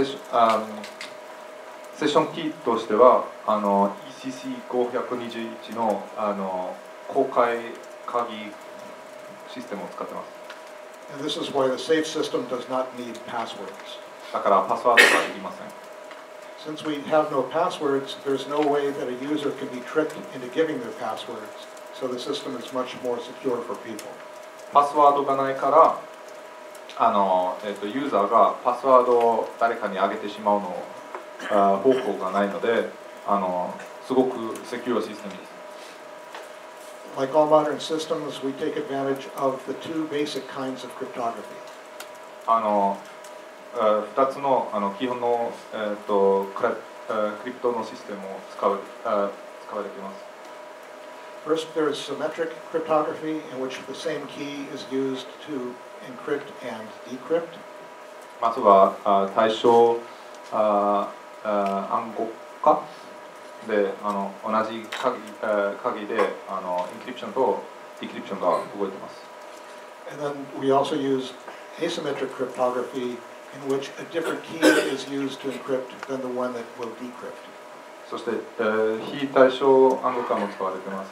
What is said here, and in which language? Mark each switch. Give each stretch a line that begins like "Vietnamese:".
Japanese: セッションキーとしては、ECC521 の、公開鍵システムを使ってます。
English: And this is why the safe system does not need passwords.
Japanese: だからパスワードはできません。
English: Since we have no passwords, there's no way that a user can be tricked into giving their passwords, so the system is much more secure for people.
Japanese: パスワードがないから、ユーザーがパスワードを誰かにあげてしまうの方法がないので、すごくセキュアシステムです。
English: Like all modern systems, we take advantage of the two basic kinds of cryptography.
Japanese: 2つ の, 基本の、クリプトのシステムを使われています。
English: First, there is symmetric cryptography in which the same key is used to encrypt and decrypt.
Japanese: まずは対称暗号化で同じ 鍵でエンクリプションとディクリプションが動いています。
English: And then we also use asymmetric cryptographyin which a different key is used to encrypt than the one that will decrypt.
Japanese: そして、非対称暗号化も使われています。